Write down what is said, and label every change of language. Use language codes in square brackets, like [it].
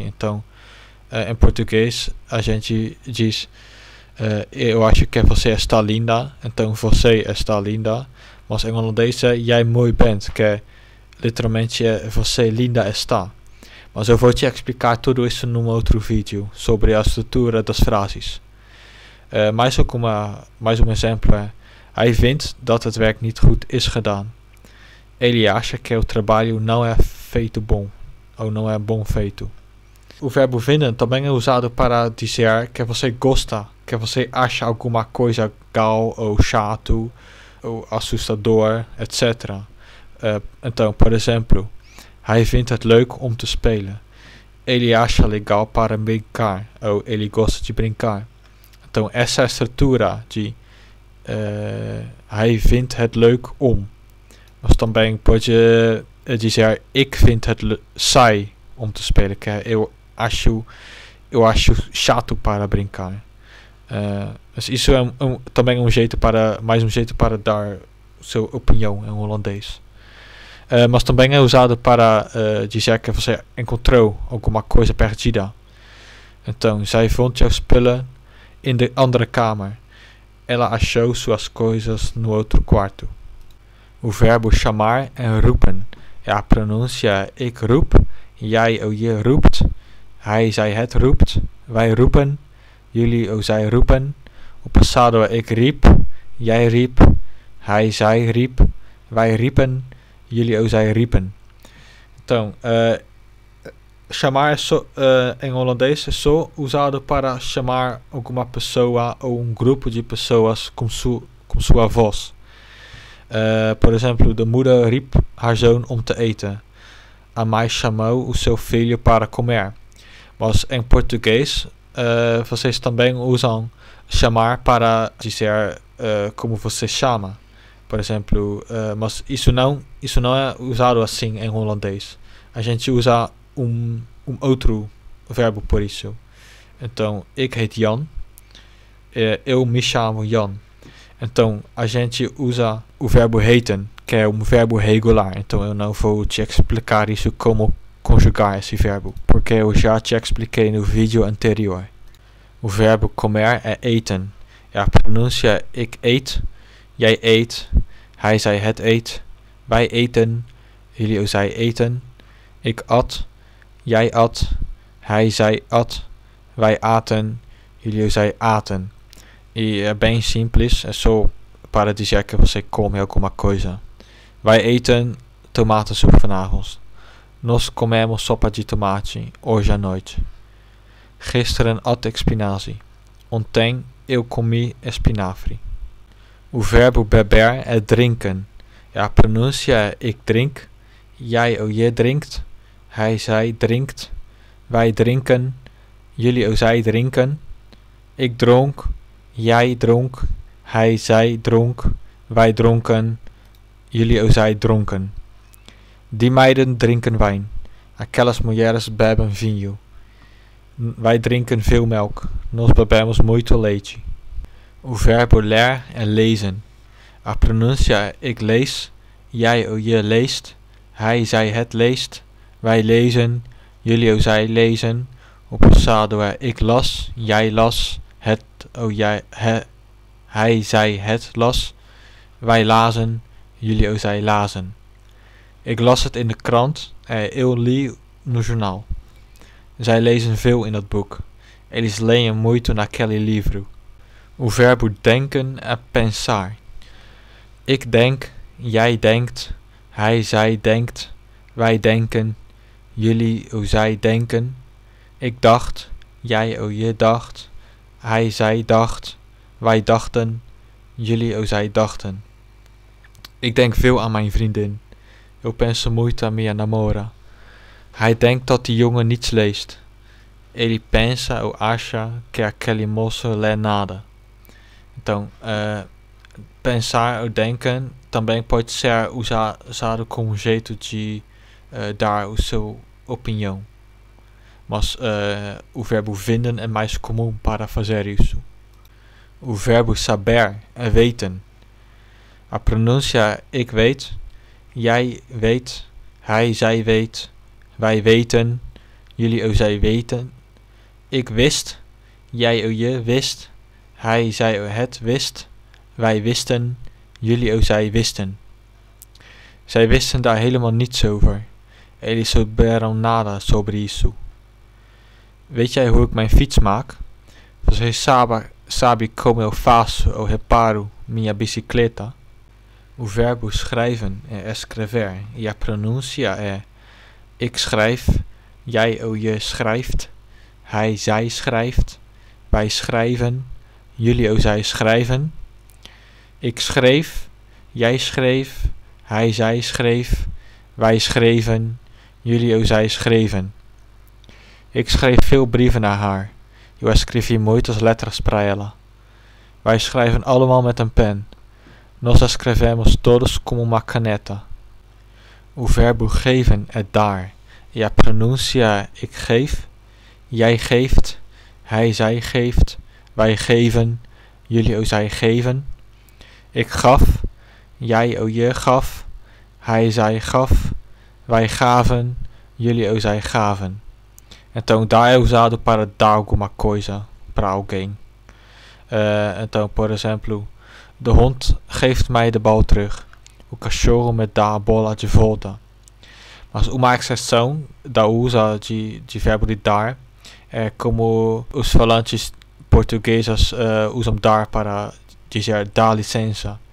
[pt] Então, em português, a gente diz, eu acho que você está linda, então você está linda. Mas em holandês é [nl] jij mooi bent, [pt] que literalmente é você linda está. Mas eu vou te explicar tudo isso num outro vídeo, sobre a estrutura das frases. Mais um exemplo é, [nl] hij vindt dat het werk niet goed is gedaan. [pt] Ele acha que o trabalho não é feito bom, ou não é bom feito. O verbo vinden também é usado para dizer que você gosta, que você acha alguma coisa legal, ou chato, ou assustador, etc. Então, por exemplo, [nl] hij vindt het leuk om te spelen. [pt] Ele acha legal para brincar, ou ele gosta de brincar. Então, essa é a estrutura de [nl] hij vindt het leuk om. [pt] Mas também pode dizer, [nl] ik vind het saai om te spelen. [pt] Que eu acho chato para brincar. Mas isso é também um jeito para, mais um jeito para dar sua opinião em holandês. Mas também é usado para dizer que você encontrou alguma coisa perdida. [nl] Então, zij vond jouw spullen in de andere kamer. [pt] Ela achou suas coisas no outro quarto. O verbo chamar é roepen. É a pronúncia [nl] ik roep, jij ou je roept, hij, zij, het roept, wij roepen, jullie ou zij roepen. [pt] O passado é [nl] ik riep, jij riep, hij, zij riep, wij riepen, jullie ou zij riepen. [pt] Então, chamar em holandês é só usado para chamar alguma pessoa ou um grupo de pessoas com sua voz. Por exemplo, [nl] de moeder riep haar zoon om te eten. [pt] A mãe chamou o seu filho para comer. Mas em português, vocês também usam chamar para dizer como você chama. Por exemplo, mas isso não é usado assim em holandês. A gente usa outro verbo por isso. Então, [nl] ik heet Jan. [pt] Eu me chamo Jan. Então, a gente usa o verbo heten, que é verbo regular. Então, eu não vou te explicar isso, como conjugar esse verbo, porque eu já te expliquei no vídeo anterior. O verbo comer é eten. [nl] É a pronúncia ik eet, jij eet, hij, zij, het eet, wij eten, jullie, zij eten, ik at, jij at, hij, zij at, wij aten, jullie, zij aten. [pt] E é bem simples, é só para dizer que você come alguma coisa. [nl] Wij eten tomatensoep vanavond. [pt] Nós comemos sopa de tomate hoje à noite. [nl] Gisteren at ik spinazie. [pt] Ontem eu comi espinafre. O verbo beber é drinken. A pronúncia é [nl] ik drink, jij ou je drinkt, hij, zij drinkt, wij drinken, jullie ou zij drinken, ik dronk, jij dronk, hij, zij dronk, wij dronken, jullie ou zij dronken. Die meiden drinken wijn. [pt] Aquelas mulheres bebem vinho. [nl] Wij drinken veel melk. [pt] Nós bebemos muito leite. O verbo ler é lezen. A pronúncia é [nl] ik lees, jij ou je leest, hij, zij, het leest, wij lezen, jullie ou zij lezen. [pt] O passado é [nl] ik las, jij las, het ou jij, hij, zij, het las, wij lazen, jullie ou zij lazen. Ik las het in de krant, [pt] eu li no jornal. [nl] Zij lezen veel in dat boek. [pt] Eles leem muito naquele livro. O verbo denken é pensar. [nl] Ik denk, jij denkt, hij, zij denkt, wij denken, jullie ou zij denken. Ik dacht, jij ou je dacht, hij, zij dacht, wij dachten, jullie ou zij dachten. Ik denk veel aan mijn vriendin. [pt] Eu penso muito a minha namora. [nl] Hij denkt dat die jongen niets leest. [pt] Ele pensa ou acha que aquele moço lê nada. Então, pensar ou denken também pode ser usado como jeito de dar o seu opinião. Mas o verbo vinden é mais comum para fazer isso. O verbo saber é weten. A pronúncia [nl] ik weet, jij weet, hij, zij weet, wij weten, jullie ou zij weten. Ik wist, jij ou je wist, hij, zij ou het wist. Wij wisten, jullie ou zij wisten. Zij wisten daar helemaal niets over. [pt] Eles souberam nada sobre isso. [nl] Weet jij hoe ik mijn fiets maak? [pt] Você sabe como eu faço ou reparo minha bicicleta? O verbo schrijven é escrever. E a pronúncia é [nl] ik schrijf, jij ou je schrijft, hij, zij schrijft, wij schrijven, jullie ou zij schrijven. Ik schreef, jij schreef, hij, zij schreef, wij schreven, jullie ou zij schreven. Ik schreef veel brieven naar haar. [pt] Eu escrevi muitas letras para ela. [nl] Wij schrijven allemaal met een pen. [pt] Nós escrevemos todos com uma caneta. O verbo geven é dar. [nl] ja, pronuncia, ik geef, jij geeft, hij, zij geeft, wij geven, jullie, o, zij geven. Ik gaf, jij, o, je gaf, hij, zij gaf, wij gaven, jullie, o, zij gaven. [pt] Então, daí é usado para dar alguma coisa para alguém. Então, por exemplo, [nl] de hond geeft mij de bal terug. [pt] O cachorro me dá a bola de volta. Mas uma exceção da usa de verbo de dar é como os falantes portugueses usam dar para dizer dá licença.